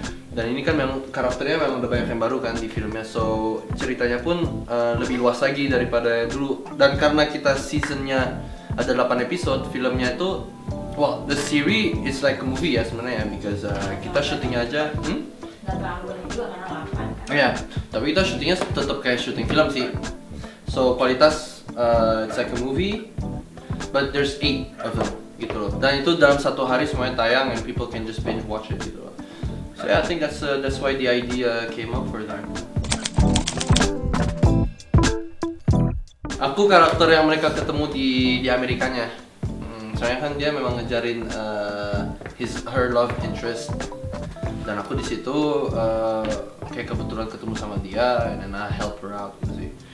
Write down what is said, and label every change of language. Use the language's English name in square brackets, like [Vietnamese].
[Indonesian] Dan ini kan memang karakternya memang udah banyak yang baru kan di filmnya, so ceritanya pun lebih luas lagi daripada dulu. Dan karena kita seasonnya ada 8 episode, filmnya itu well, [English] the series is like a movie [Indonesian] ya sebenarnya, because kita syutingnya aja. Gak terlalu banyak juga karena 8 kan. Iya, tapi kita syutingnya tetap kayak syuting film sih. [English] So kualitas it's like a movie, but there's 8 of them [Indonesian] gitu loh. Dan itu dalam satu hari semuanya tayang [English] and people can just binge watch it [Indonesian] gitu loh. [English] So yeah, I think that's why the idea came up for that. [Indonesian] Aku karakter yang mereka ketemu di Amerikanya. Soalnya kan dia memang ngejarin [English] her love interest, [Indonesian] dan aku di situ kayak kebetulan ketemu sama dia [English] and then I help her out [Indonesian] gitu sih.